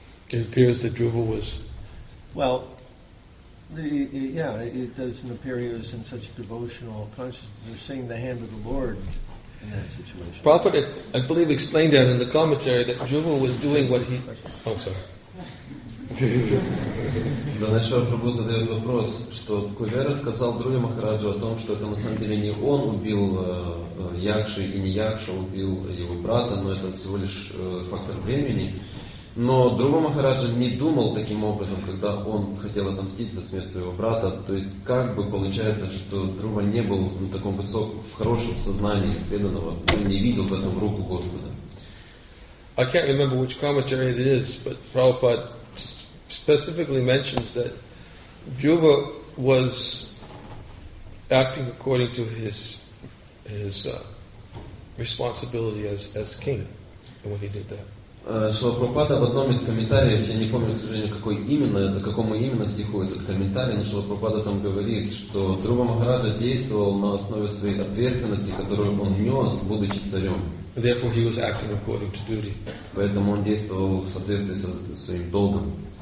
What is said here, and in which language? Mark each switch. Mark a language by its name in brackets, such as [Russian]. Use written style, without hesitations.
[English] it appears that Dhruva was... Well, it doesn't appear he was in such devotional consciousness. They're seeing the hand of the Lord in that situation. Prabhupada, I believe, explained that in the commentary, that Dhruva was doing what he... Oh, sorry. [Russian] До нашего Прабху задает вопрос, что Кувера сказал Друге Махараджу о том, что это на самом деле не он убил Якши и не Якша убил его брата, но это всего лишь фактор времени. Но Друга Махараджа не думал таким образом, когда он хотел отомстить за смерть своего брата. То есть как бы получается, что Друга не был на таком высоком, в хорошем сознании преданного, он не видел в этом руку Господа. [English] I can't remember which commentary it is, but Prabhupada specifically mentions that Dhruva was acting according to his responsibility as king when he did that. [Russian] Шрила Прабхупада в одном из комментариев, я не помню, к сожалению, какой именно, на какому именно стиху этот комментарий, но Шрила Прабхупада там говорит, что Дхрува Махараджа действовал на основе своей ответственности, которую он нес, будучи царем. [English] Therefore he was acting according to duty. [Russian] Поэтому он действовал в соответствии со своим долгом.